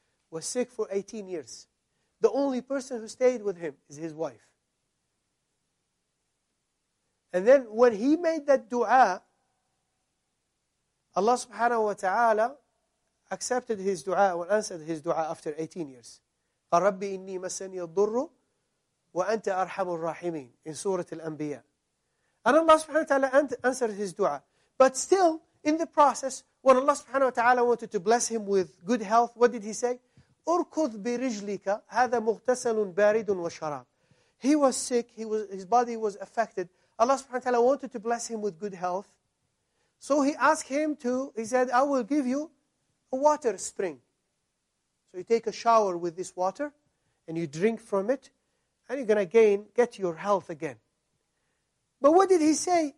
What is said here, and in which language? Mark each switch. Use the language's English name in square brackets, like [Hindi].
[English] Was sick for 18 years. The only person who stayed with him is his wife. And then when he made that dua, Allah subhanahu wa ta'ala accepted his dua and answered his dua after 18 years. [Arabic] قَرَبِّ إِنِّي مَسَّنِي الضُّرُّ وَأَنْتَ أَرْحَمُ الرَّاحِمِينَ [English] in Surah Al-Anbiya. And Allah subhanahu wa ta'ala answered his dua. But still, in the process, when Allah subhanahu wa ta'ala wanted to bless him with good health, what did he say? [Arabic] أُرْكُذْ بِرِجْلِكَ هَذَا مُغْتَسَلٌ بَارِدٌ وَشَرَابٌ. [English] He was sick. His body was affected. Allah subhanahu wa ta'ala wanted to bless him with good health. So he asked him he said, I will give you a water spring. So you take a shower with this water and you drink from it and you're going to gain, get your health again. But what did he say?